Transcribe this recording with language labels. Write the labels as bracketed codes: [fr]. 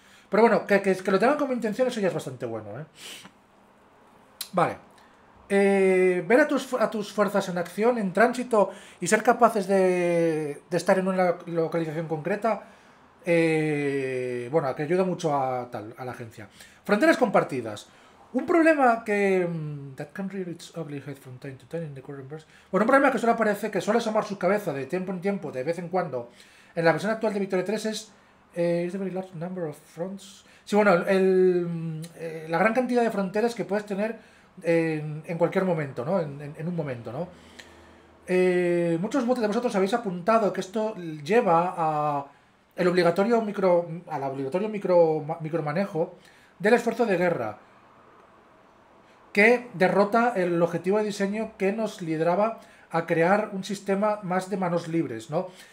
[es] Pero bueno, que lo tengan como intención, eso ya es bastante bueno, ¿eh? Vale. Ver a tus fuerzas en acción, en tránsito y ser capaces de estar en una localización concreta, bueno, que ayuda mucho a la agencia. Fronteras compartidas. Un problema que [en] that can rear its ugly head from time to time in the current verse. [es] Bueno, un problema que solo aparece, que suele asomar su cabeza de tiempo en tiempo, de vez en cuando, en la versión actual de Victoria 3 es [en] is a very large number of fronts. [es] Sí, bueno, la gran cantidad de fronteras que puedes tener. En cualquier momento, ¿no? En un momento, ¿no? Muchos de vosotros habéis apuntado que esto lleva al obligatorio micromanejo del esfuerzo de guerra, que derrota el objetivo de diseño que nos lideraba a crear un sistema más de manos libres, ¿no?